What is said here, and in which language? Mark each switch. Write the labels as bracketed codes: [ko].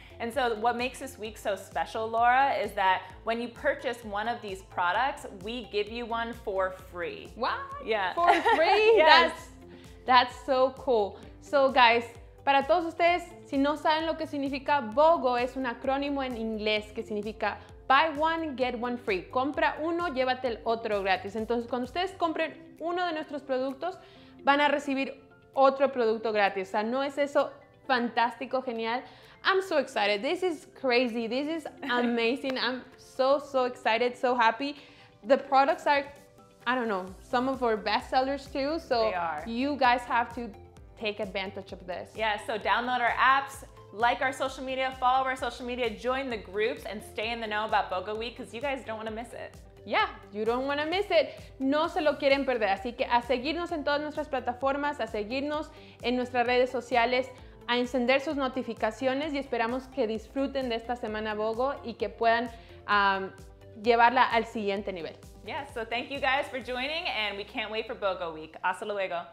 [en] And so what makes this week so special, Laura, is that when you purchase one of these products, we give you one for free. What? Yeah. For free? Yes. That's so cool. [es] So guys, para todos ustedes, si no saben lo que significa BOGO, es un acrónimo en inglés que significa [en] buy one, get one free. [es] Compra uno, llévate el otro gratis. Entonces, cuando ustedes compren uno de nuestros productos, van a recibir otro producto gratis. O sea, ¿no es eso fantástico, genial? [en] I'm so excited. This is crazy. This is amazing. I'm so, so excited, so happy. The products are, I don't know, some of our best sellers too. So you guys have to take advantage of this. Yeah, so download our apps, like our social media, follow our social media, join the groups, and stay in the know about BOGO Week because you guys don't want to miss it. Yeah, you don't want to miss it. [es] No se lo quieren perder. Así que a seguirnos en todas nuestras plataformas, a seguirnos en nuestras redes sociales, a encender sus notificaciones y esperamos que disfruten de esta semana BOGO y que puedan llevarla al siguiente nivel. [en] Yeah, so thank you guys for joining and we can't wait for BOGO Week. [es] Hasta luego.